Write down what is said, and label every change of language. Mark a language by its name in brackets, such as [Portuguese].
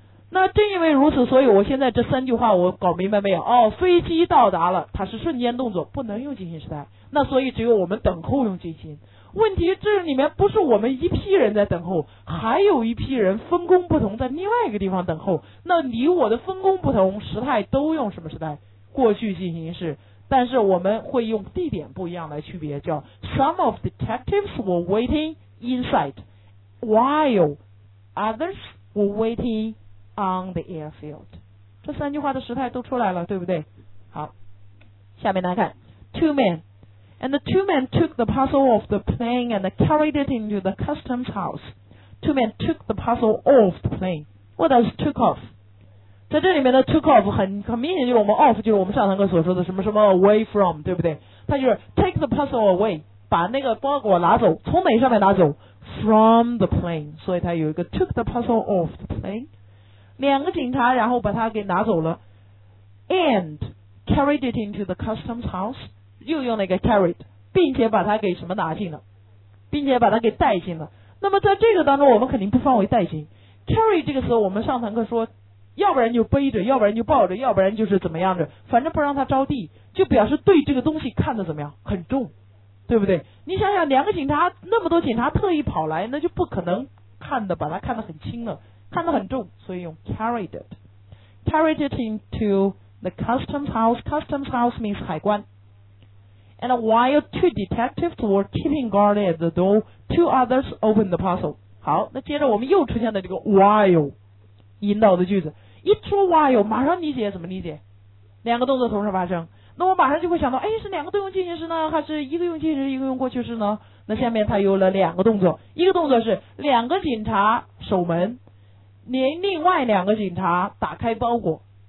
[Chinese] 那正因为如此，所以我现在这三句话我搞明白没有？哦，飞机到达了，它是瞬间动作，不能用进行时态，那所以只有我们等候用进行。问题这里面不是我们一批人在等候，还有一批人分工不同在另外一个地方等候。那你我的分工不同，时态都用什么时态？过去进行式。但是我们会用地点不一样来区别，叫 [English] Some of the detectives were waiting inside while others were waiting on the airfield. [Chinese] 这三句话的时态都出来了，对不对？好，下面来看 [English] Two men took the parcel off the plane and carried it into the customs house. Two men took the parcel off the plane. What does took off? [Chinese] 在这里面的 took off 很明显就是我们 off 就是我们上堂课所说的什么什么 [English] away from, [Chinese] 对不对？它就是 [English] take the parcel away, [Chinese] 把那个包裹拿走，从哪上面拿走？ [English] From the plane. [Chinese] 所以它有一个 [English] took the parcel off the plane. [Chinese] 两个警察然后把它给拿走了 [English] and carried it into the customs house. [Chinese] 又用了一个 carried, 并且把它给什么拿进了，并且把它给带进了。那么在这个当中我们肯定不放为带进。 carry 这个词我们上堂课说，要不然就背着，要不然就抱着，要不然就是怎么样着，反正不让它着地，就表示对这个东西看得怎么样，很重，对不对？你想想两个警察，那么多警察特意跑来，那就不可能看得把它看得很轻了，看得很重，所以用 [English] carried it. Carried it into the customs house. Customs house means 海关。 And while two detectives were keeping guard at the door, two others opened the parcel. [Chinese] 好，那接着我们又出现了这个 while 引导的句子。一说 while, 马上理解怎么理解？两个动作同时发生。那我马上就会想到，哎，是两个都用进行时呢，还是一个用进行时，一个用过去式呢？那下面它有了两个动作，一个动作是两个警察守门，另外两个警察打开包裹。